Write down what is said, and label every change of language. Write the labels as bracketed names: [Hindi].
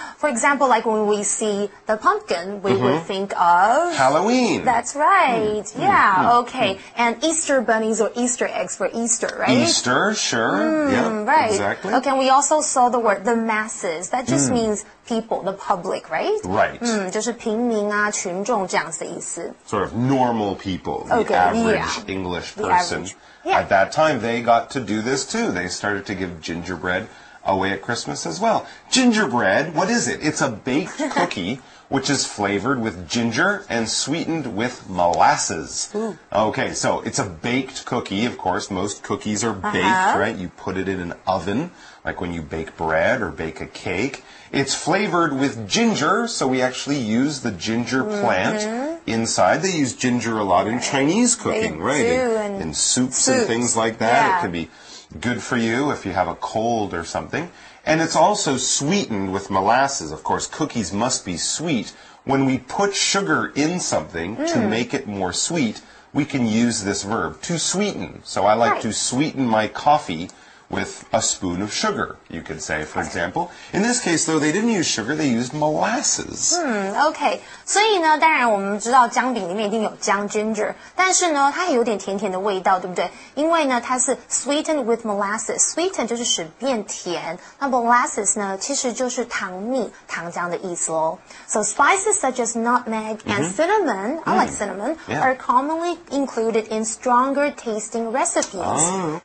[English] For example, like when we see the pumpkin, we、mm-hmm. would think of Halloween. That's right.、Mm-hmm. Yeah.、Mm-hmm. Okay.、Mm-hmm. And Easter bunnies or Easter eggs for Easter, right? Easter, sure.、Mm-hmm. Yeah. Right. Exactly. Okay, we also saw the word the masses. That just means people, the public, right? Right. [Chinese] 就是平民啊群众这样子的意思。 [English] Sort of normal people, the average English person. Yeah. At that time, they got to do this too. They started to give gingerbread away at Christmas as well. Gingerbread, what is it? It's a baked cookie which is flavored with ginger and sweetened with molasses.、 Ooh. Okay, so it's a baked cookie, of course. Most cookies are baked,、uh-huh. right? You put it in an oven, like when you bake bread or bake a cake. It's flavored with ginger, so we actually use the ginger plant、mm-hmm. inside. They use ginger a lot in Chinese cooking, right? In soups and things like that.、 It can be good for you if you have a cold or something. And it's also sweetened with molasses. Of course, cookies must be sweet. When we put sugar in something、to make it more sweet, we can use this verb, to sweeten. So I like、to sweeten my coffee with a spoon of sugar, you could say, for example. In this case, though, they didn't use sugar, they used molasses. Okay. [Chinese] 所以呢，当然我们知道姜饼里面一定有姜 ginger, 但是呢，它也有点甜甜的味道，对不对？因为呢，它是 [English] sweetened with molasses. [Chinese] Sweeten 就是使变甜，那 molasses 呢，其实就是糖蜜、糖浆的意思咯。 [English] So spices such as nutmeg and cinnamon, I like cinnamon, are commonly included in stronger tasting recipes.